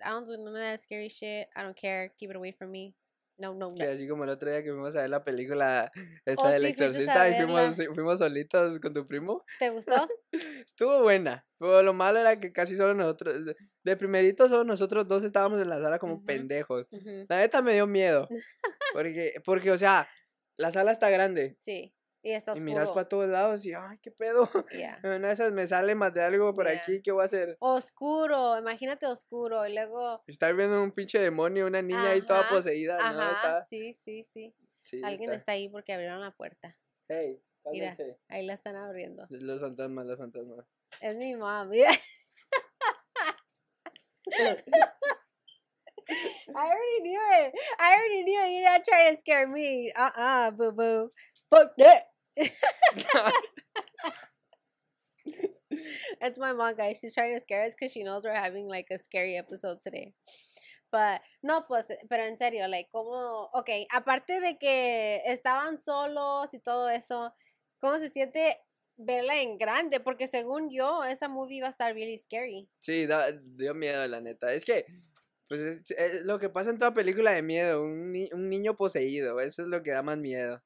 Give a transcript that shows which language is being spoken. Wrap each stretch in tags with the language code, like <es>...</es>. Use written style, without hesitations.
<en>I don't do none of that scary shit. I don't care. Keep it away from me. No,</en> <es>que así como el otro día que fuimos a ver la película esta del exorcista y fuimos solitos con tu primo. ¿Te gustó? Estuvo buena, pero lo malo era que casi solo nosotros, de primerito solo nosotros dos estábamos en la sala como uh-huh. Pendejos. Uh-huh. La neta me dio miedo, porque o sea, la sala está grande. Sí, y está oscuro. Y miras para todos lados y, ay, qué pedo. Yeah. Una de esas me sale más de algo por yeah. Aquí, ¿qué voy a hacer? Oscuro, imagínate oscuro. Y luego... Estar viendo un pinche demonio, una niña ajá. Ahí toda poseída. Ajá, ¿no? Sí. Alguien está ahí porque abrieron la puerta. Hey. Mira, ahí la están abriendo. Los fantasmas, los fantasmas. Es mi mamá, mira.</es> <en>I already knew it. You're not trying to scare me. Uh-uh, boo-boo. Fuck that. It's my mom, guys. She's trying to scare us because she knows we're having, like, a scary episode today.</en> <es>But, no, pues, pero en serio, like, ¿cómo? Ok, aparte de que estaban solos y todo eso, ¿cómo se siente verla en grande? Porque según yo, esa movie iba a estar</es> <en>really scary.</en> <es>Sí, dio miedo, la neta. Es que, pues, es lo que pasa en toda película de miedo, un niño poseído, eso es lo que da más miedo.</es>